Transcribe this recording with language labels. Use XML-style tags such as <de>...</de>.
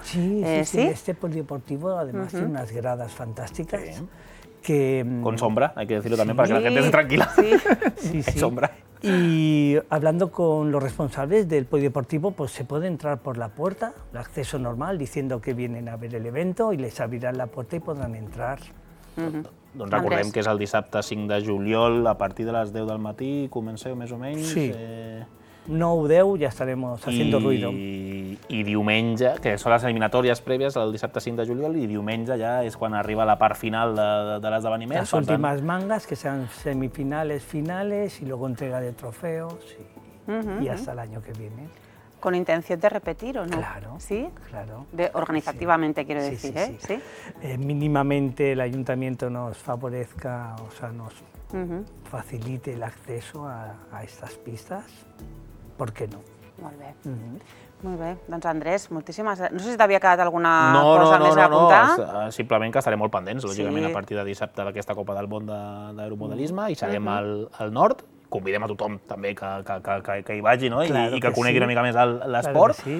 <es>Sí, este polideportivo además tiene unas gradas fantásticas... Que, con sombra, hay que decirlo también, para que la gente esté tranquila. Sí. Sombra. Y hablando con los responsables del polideportivo, pues se puede entrar por la puerta, el acceso normal, diciendo que vienen a ver el evento y les abrirán la puerta y podrán entrar.</es> <ca>Doncs recordem que és el dissabte 5 de juliol, a partir de les 10 del matí, comenceu més o menys. Sí.</ca> <es>9-10 ja estaremos haciendo ruido.</es> <ca>I diumenge, que són les eliminatòries prèvies el dissabte 5 de juliol, i diumenge ja és quan arriba la part final de l'esdeveniment. Les últimes</ca> <es>mangas,</es> <ca>que seran</ca> <es>semifinales, finales, i luego entrega de trofeos, i hasta el año que viene. ¿Con intención de repetir o no? Claro. ¿Sí? Claro. Organizativamente, quiero decir. Sí, sí, sí. Mínimamente el ayuntamiento nos favorezca, o sea, nos facilite el acceso a estas pistas. ¿Por qué no?</es> <ca>Molt bé. Molt bé, doncs Andrés, moltíssimes gràcies. No sé si t'havia quedat alguna cosa més a apuntar. Simplement que estarem molt pendents, lògicament, sí, a partir de dissabte d'aquesta Copa del Món d'Aeromodelisme, i serem al nord. Convidem a tothom també que hi vagi, no? Clar, i que conegui una mica més l'esport.</ca>